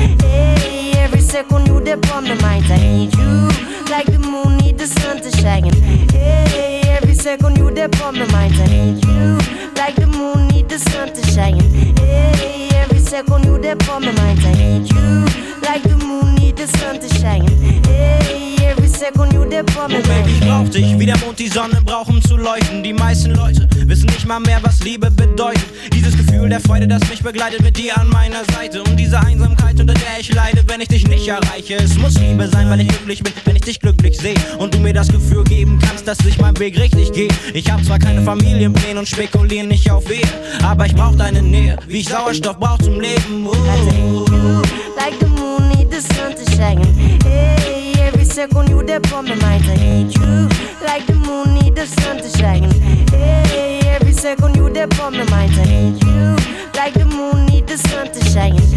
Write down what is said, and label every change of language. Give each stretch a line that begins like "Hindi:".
English: Hey, every second you dip on my mind, I need you like the moon need the sun to shine. Hey, every second you dip on my mind, I need you like the moon need the sun to shine. Hey, every second you dip on my mind, I need you like the moon need the sun to shine. Hey, every second you dip on my mind.
German: Baby, ich brauch dich wie der Mond die Sonne braucht, um zu leuchten. Die meisten Leute wissen nicht mal mehr, was Liebe bedeutet. Dieses Gefühl der Freude, das mich begleitet, mit dir an meiner Seite. Und diese Einsamkeit, unter der ich leide, wenn ich dich nicht erreiche. Es muss Liebe sein, weil ich glücklich bin, wenn ich dich glücklich sehe. Und du mir das Gefühl geben kannst, dass ich meinen Weg richtig gehe. Ich hab zwar keine Familienpläne und spekuliere nicht auf Ehe, aber ich brauch deine Nähe, wie ich Sauerstoff brauch zum Leben.
English: I think you, like the moon, need the sun to shine. Hey, every second you dip on my mind. I need you, like the moon, need the sun to shine. Hey, every second you dip on my mind. I need you, like the moon, need the sun to shine.